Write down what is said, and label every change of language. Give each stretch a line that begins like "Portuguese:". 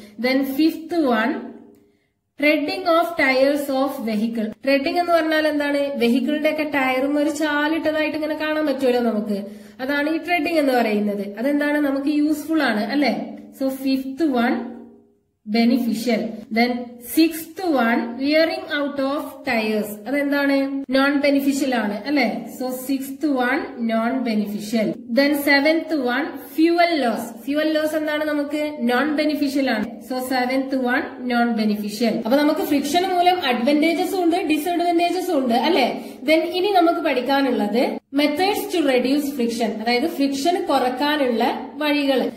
English: Then fifth one, treading of tyres of vehicle.
Malayalam: ട്രെഡിംഗ് എന്ന് പറഞ്ഞാൽ എന്താണ്? വെഹിക്കിളിന്റെ ഒക്കെ ടയറും ഒരു ചാലിട്ടതായിട്ട് ഇങ്ങനെ കാണാൻ പറ്റുമല്ലോ നമുക്ക്, അതാണ് ഈ ട്രെഡിംഗ് എന്ന് പറയുന്നത്. അതെന്താണ്? നമുക്ക് യൂസ്ഫുൾ ആണ് അല്ലെ.
English: So fifth one beneficial. Then sixth one, wearing out of tires.
Malayalam: അതെന്താണ്? Non-beneficial ആണ് അല്ലേ?
English: So sixth one, non-beneficial. Then seventh one, fuel loss. Fuel loss
Malayalam: എന്താണ് നമുക്ക്?
English: Non-beneficial ആണ്. So seventh one, non-beneficial.
Malayalam: അപ്പൊ നമുക്ക് friction മൂലം advantages ഉണ്ട്, disadvantages ഉണ്ട് അല്ലേ? Then ഇനി നമുക്ക് പഠിക്കാനുള്ളത്
English: methods to reduce friction,
Malayalam: അതായത് friction കുറക്കാനുള്ള വഴികൾ.